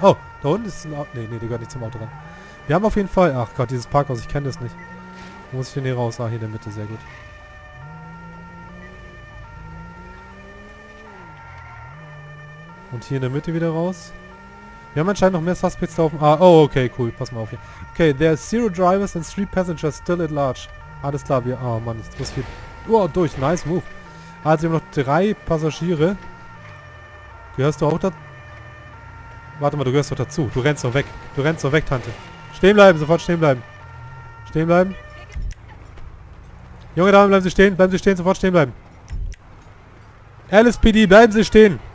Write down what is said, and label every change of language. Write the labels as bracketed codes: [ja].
[de] Oh, da unten ist ein Auto. Nee, der gehört nicht zum Auto ran. Wir haben auf jeden Fall... Ach Gott, dieses Parkhaus, ich kenne das nicht. Wo muss ich denn hier raus? Ah, hier in der Mitte, sehr gut. Und hier in der Mitte wieder raus. Wir haben anscheinend noch mehr Suspects da auf dem... Ah, oh, okay, cool. Pass mal auf hier. [en] Okay, there are 0 drivers and 3 passengers still at large. [de] Alles klar, wir... Oh, Mann, ich muss hier... Oh, durch. [en] Nice move. [de] Also, wir haben noch 3 Passagiere. Gehörst du auch dazu? Warte mal, du gehörst doch dazu. Du rennst doch weg. Du rennst doch weg, Tante. Stehen bleiben, sofort stehen bleiben. Stehen bleiben. Junge Dame, bleiben Sie stehen. Bleiben Sie stehen, sofort stehen bleiben. LSPD, bleiben Sie stehen.